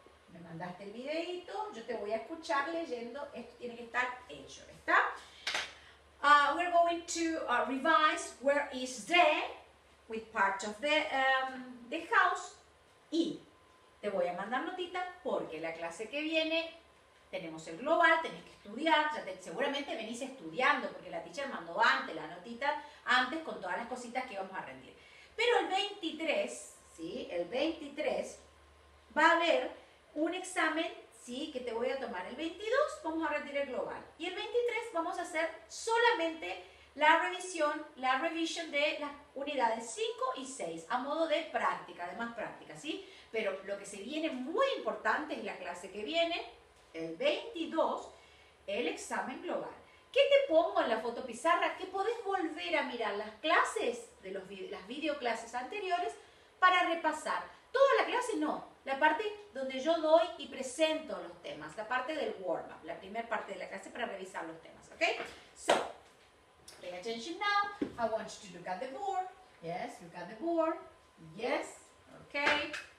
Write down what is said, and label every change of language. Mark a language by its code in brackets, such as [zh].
[es] Me mandaste el videito, yo te voy a escuchar leyendo, esto tiene que estar hecho, ¿está? [en] We're going to revise where is the with part of the house. [es] Y te voy a mandar notita porque la clase que viene tenemos el global, tenés que estudiar, ya seguramente venís estudiando porque la teacher mandó antes la notita, antes con todas las cositas que íbamos a rendir. Pero el 23, ¿sí? El 23 va a haber un examen, ¿sí? Que te voy a tomar. El 22 vamos a rendir el global. Y el 23 vamos a hacer solamente la revisión de las unidades 5 y 6 a modo de práctica, de más práctica, ¿sí? Pero lo que se viene muy importante es la clase que viene, el 22, el examen global. ¿Qué te pongo en la fotopizarra? Que podés volver a mirar las clases, de las videoclases anteriores, para repasar. Toda la clase no, la parte donde yo doy y presento los temas, la parte del warm-up, la primera parte de la clase para revisar los temas, ¿ok? [en] So, pay attention now, I want you to look at the board, yes, look at the board, yes, ok.